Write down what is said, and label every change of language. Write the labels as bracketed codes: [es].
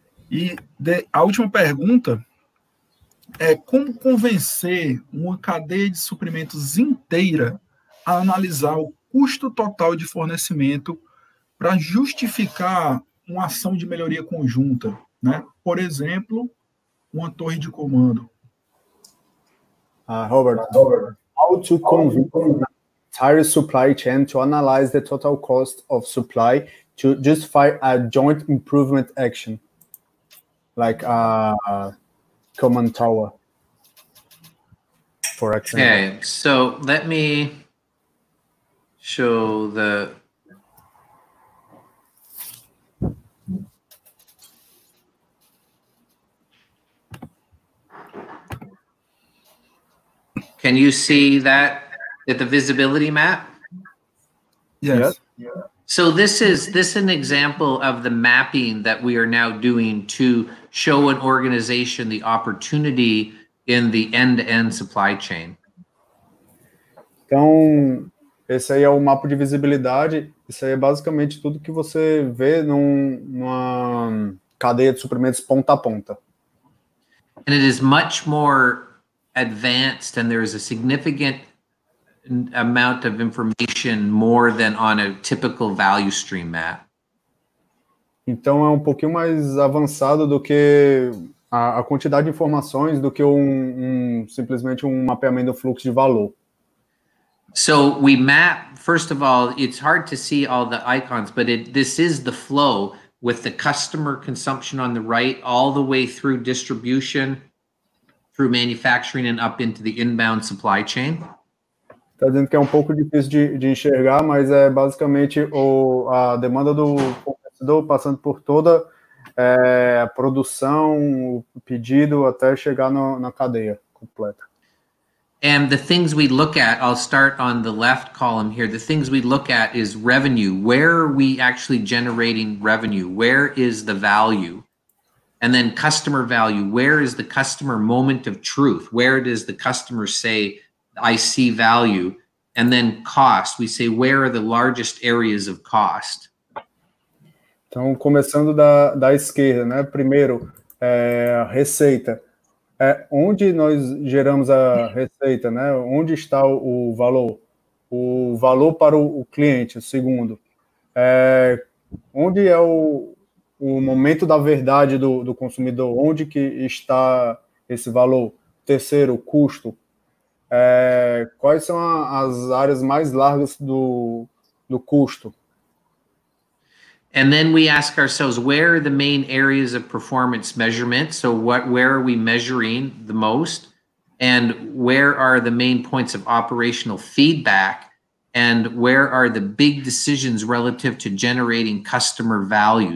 [pt] E a última pergunta é como convencer uma cadeia de suprimentos inteira a analisar o custo total de fornecimento para justificar uma ação de melhoria conjunta, né? Por exemplo, uma torre de comando. [en] Robert, how to convince the entire supply chain to analyze the total cost of supply to justify a joint improvement action? Like a command tower, for example. Okay, so let me show the... Can you see that at the visibility map? Yes. So this is an example of the mapping that we are now doing to show an organization the opportunity in the end-to-end supply chain. [pt] Então, esse aí é o mapa de visibilidade. Isso aí é basicamente tudo que você vê numa cadeia de suprimentos ponta a ponta. [en] And it is much more advanced and there is a significant amount of information more than on a typical value stream map. [pt] Então é um pouquinho mais avançado do que a quantidade de informações do que simplesmente um mapeamento do fluxo de valor. [en] So we map, first of all, it's hard to see all the icons, but this is the flow with the customer consumption on the right all the way through distribution, through manufacturing and up into the inbound supply chain. [pt] Está dizendo que é um pouco difícil de enxergar, mas é basicamente a demanda do fornecedor passando por toda a produção, o pedido, até chegar na cadeia completa. [en] And the things we look at, I'll start on the left column here, the things we look at is revenue. Where are we actually generating revenue? Where is the value? And then customer value. Where is the customer moment of truth? Where does the customer say, I see value, and then cost. We say, where are the largest areas of cost? [pt] Então, começando da esquerda, né? Primeiro, receita. Onde nós geramos a receita, né? Onde está o valor? O valor para o cliente, segundo. Onde é o momento da verdade do consumidor? Onde que está esse valor? Terceiro, custo. Quais são as áreas mais largas do custo? [en] And then we ask ourselves, where are the main areas of performance measurement? So where are we measuring the most? And where are the main points of operational feedback? And where are the big decisions relative to generating customer value?